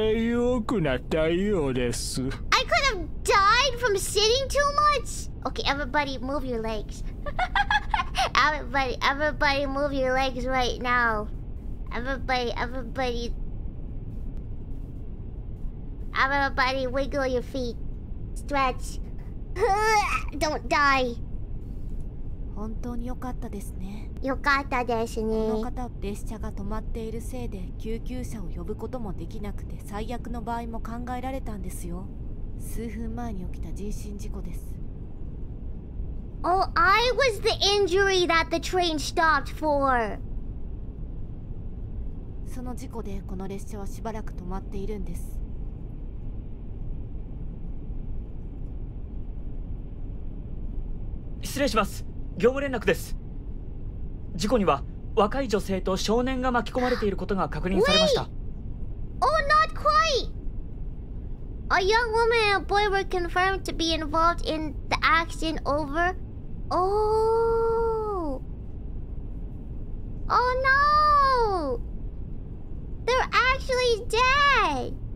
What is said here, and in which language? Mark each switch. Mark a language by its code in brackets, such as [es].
[ja] 足を上げることで良くなったようです。 [en] I could have died from sitting too much! Okay, everybody move your legs. everybody move your legs right now. Everybody wiggle your feet. Stretch. Don't die. [ja] 本当に良かったですね。良かったですね。この方、列車が止まっているせいで救急車を呼ぶこともできなくて最悪の場合も考えられたんですよ。数分前に起きた人身事故です。Oh, [en] I was the injury that the train stopped for. [ja] その事故でこの列車はしばらく止まっているんです。失礼します。業務連絡です。事故には若い女性と少年が巻き込まれていることが確認されました。 [en] Wait! Oh, not quite! A young woman and a boy were confirmed to be involved in the accident over... Oh! Oh no! They're actually dead!